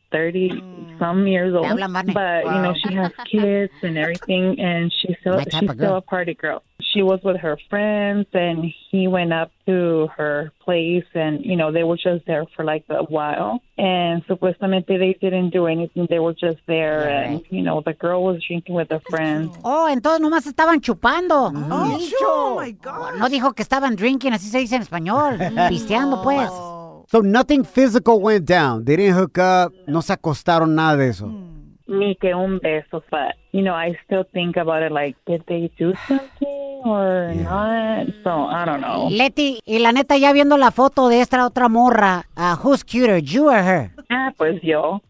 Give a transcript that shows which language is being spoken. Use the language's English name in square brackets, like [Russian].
[English] 30 some years old, but you know, she has kids and everything, and she's still a party girl. She was with her friends, and he went up to her place, and you know, they were just there for like a while, and [Spanish] supuestamente [English] they didn't do anything, they were just there, and you know, the girl was drinking with her friends. [Spanish] Oh, entonces nomás estaban chupando. [English] Oh, oh my god. [Spanish] No dijo que estaban [English] drinking, [Spanish] así se dice en español, pisteando pues. [English] So nothing physical went down. They didn't hook up. [Spanish] No se acostaron, nada de eso. Ni que un beso, [English] but, you know, I still think about it like, did they do something or not? So, I don't know. [Spanish] Leti, y la neta, ya viendo la foto de esta otra morra, [English] who's cuter, you or her? [Spanish] Ah, pues yo.